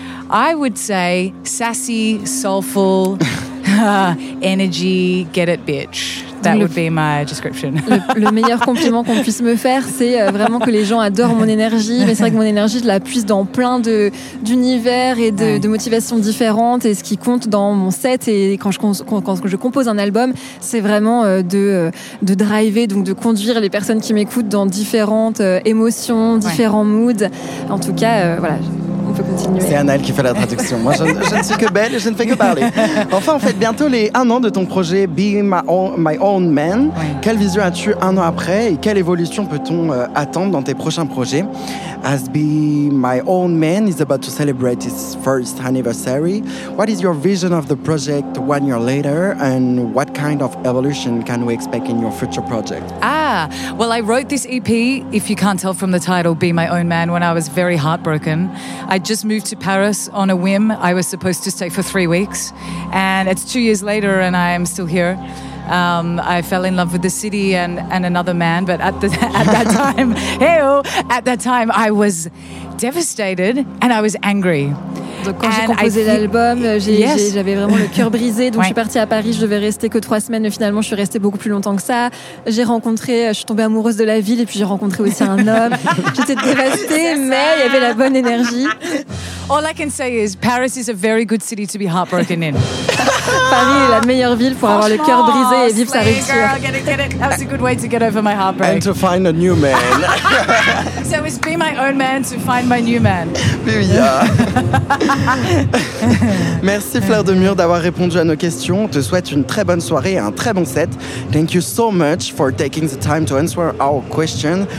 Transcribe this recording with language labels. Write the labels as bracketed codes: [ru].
[en] I would say sassy, soulful, energy, get it, bitch. That would be my description. [fr] Le meilleur compliment qu'on puisse me faire, c'est vraiment que les gens adorent mon énergie. Mais c'est vrai que mon énergie, je la puise dans plein d'univers et de motivations différentes. Et ce qui compte dans mon set et quand je compose un album, c'est vraiment de driver, donc de conduire les personnes qui m'écoutent dans différentes émotions, différents moods. En tout cas, voilà. C'est Annaëlle qui fait la traduction. Moi, je ne suis que belle et je ne fais que parler. Enfin, on fête bientôt les 1 an de ton projet Be My Own Man. Oui. Quelle vision as-tu 1 an après et quelle évolution peut-on attendre dans tes prochains projets? [en] As Be My Own Man is about to celebrate its first anniversary, what is your vision of the project 1 year later and what kind of evolution can we expect in your future project? Ah, well, I wrote this EP, if you can't tell from the title, Be My Own Man, when I was very heartbroken. I just moved to Paris on a whim. I was supposed to stay for 3 weeks. And it's 2 years later and I am still here. I fell in love with the city and another man. But at that time, I was devastated and I was angry. [fr] Donc quand and j'ai composé l'album, j'avais vraiment le cœur brisé. Donc je suis partie à Paris, je devais rester que 3 semaines. Mais finalement, je suis restée beaucoup plus longtemps que ça. Je suis tombée amoureuse de la ville et puis j'ai rencontré aussi un homme. J'étais dévastée, mais il y avait la bonne énergie. [en] All I can say is Paris is a very good city to be heartbroken in. [fr] Paris est la meilleure ville pour avoir le cœur brisé et vivre sa rupture. [en] Girl, get it. That was a good way to get over my heartbreak. And to find a new man. So it's be my own man to find my new man. [fr] Merci Fleur de Mur d'avoir répondu à nos questions. Je te souhaite une très bonne soirée et un très bon set. [en] Thank you so much for taking the time to answer our question.